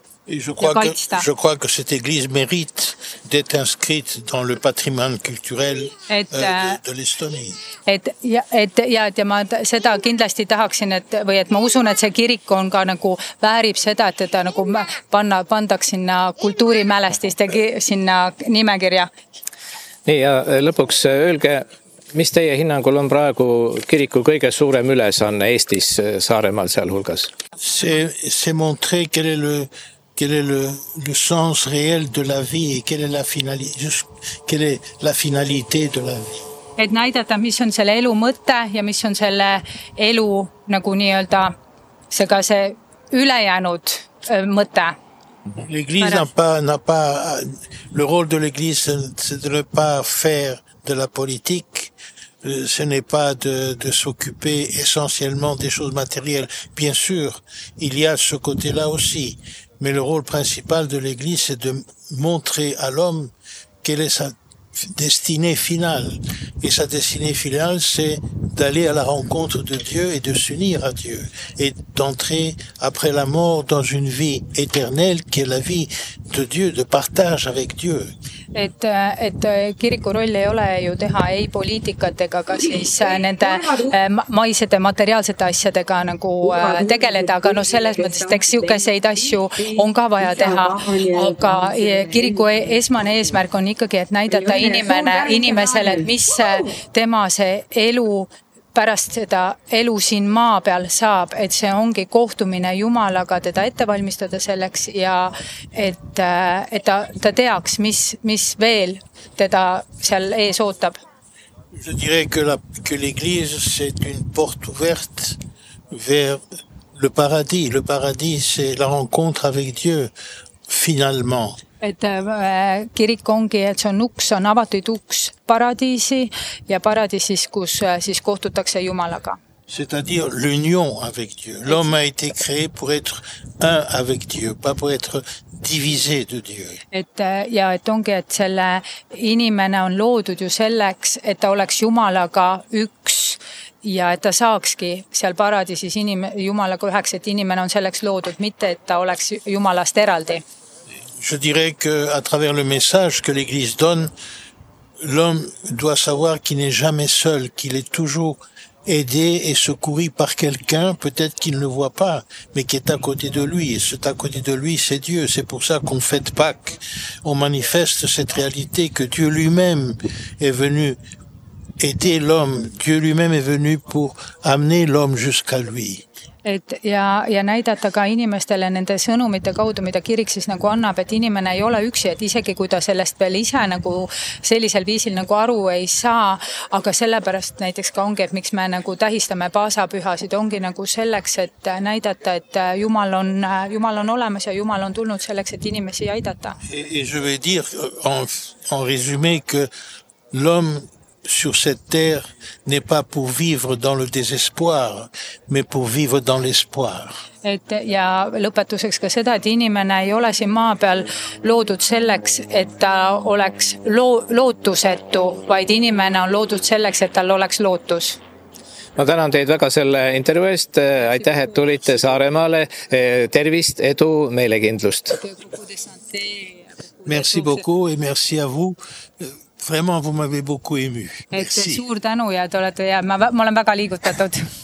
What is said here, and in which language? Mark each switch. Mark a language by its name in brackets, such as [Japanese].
[French] Je crois que cette église mérite d'être inscrite dans le patrimoine culturel de l'Estonie. [Estonian] Et ma seda kindlasti tahaksin, et või et ma usun, et see kirik on ka nagu väärib seda, et teda nagu pandaks sinna kultuurimälestiste sinna nimekirja. Nii ja lõpuks öelge, mis teie hinnangul on praegu kiriku kõige suurem ülesanne Eestis Saaremaal seal hulgas? [French] See montrer quel est le sens réel de la vie et quelle est la finalité de la vie. [Estonian] Et näidata, mis on selle elu mõte ja mis on selle elu nagu nii-öelda seda see ülejäänud mõte. [French] L'église n'a pas le rôle de l'église c'est de ne pas faire de la politique. Ce n'est pas de s'occuper essentiellement des choses matérielles. Bien sûr, il y a ce côté-là aussi. Mais le rôle principal de l'Église, c'est de montrer à l'homme quelle est sa destinée finale. Et sa destinée finale, c'est d'aller à la rencontre de Dieu et de s'unir à Dieu. Et d'entrer, après la mort, dans une vie éternelle, qui est la vie de Dieu, de partage avec Dieu. [Estonian] Et kiriku roll ei ole ju teha ei poliitikatega, aga siis nende maisede materiaalsete asjadega nagu tegeleda, aga no selles mõttes, et eks jukeseid asju on ka vaja teha, aga kiriku esmane eesmärk on ikkagi, et näidata inimesele, et mis tema see elu pärast seda elu siin maa peal saab, et see ongi kohtumine Jumalaga teda ettevalmistada selleks ja et, et ta, ta teaks, mis, mis veel teda seal ees ootab. [French] Je dirais que, que l'église, c'est une porte ouverte vers le paradis. Le paradis, c'est la rencontre avec Dieu, finalement. [Estonian] Et kirik ongi, et see on uks, on avatud uks paradiisi ja paradiisis, kus siis kohtutakse Jumalaga. [French] C'est-à-dire l'union avec Dieu. L'homme a été créé pour être un avec Dieu, pas pour être divisé de Dieu. [Estonian] Et ja et ongi, et selle inimene on loodud ju selleks, et ta oleks Jumalaga üks ja et ta saakski seal paradiisis Jumalaga üheks, et inimene on selleks loodud, mitte et ta oleks Jumalast eraldi. [French] Je dirais que à travers le message que l'Église donne, l'homme doit savoir qu'il n'est jamais seul, qu'il est toujours aidé et secouru par quelqu'un, peut-être qu'il ne le voit pas, mais qui est à côté de lui. Et cet à côté de lui, c'est Dieu. C'est pour ça qu'on fête Pâques. On manifeste cette réalité que Dieu lui-même est venu aider l'homme. Dieu lui-même est venu pour amener l'homme jusqu'à lui. [Estonian] Et ja, ja näidata ka inimestele nende sõnumite kaudu, mida kirik siis nagu annab, et inimene ei ole üksi, et isegi kui ta sellest veel ise nagu sellisel viisil nagu aru ei saa, aga sellepärast näiteks ka ongi, et miks me nagu tähistame paasapühasid, ongi nagu selleks, et näidata, et Jumal on olemas ja Jumal on tulnud selleks, et inimesi aidata. [French] Et je veux dire en résumé que l'homme sur cette terre n'est pas pour vivre dans le désespoir, mais pour vivre dans l'espoir. [Estonian] Et ja lõpetuseks ka seda, et inimene ei ole siin maa peal loodud selleks, et ta oleks lootusetu, vaid inimene on loodud selleks, et tal oleks lootus. Ma tänan teid väga selle intervjuest. Aitäh, et tulite Saaremaale. Tervist, edu, meile kindlust. [French] Merci beaucoup et merci à vous. Vraiment, vous m'avez beaucoup ému. Merci. [Estonian] Suur tänu ja te olete ja ma olen väga liigutatud.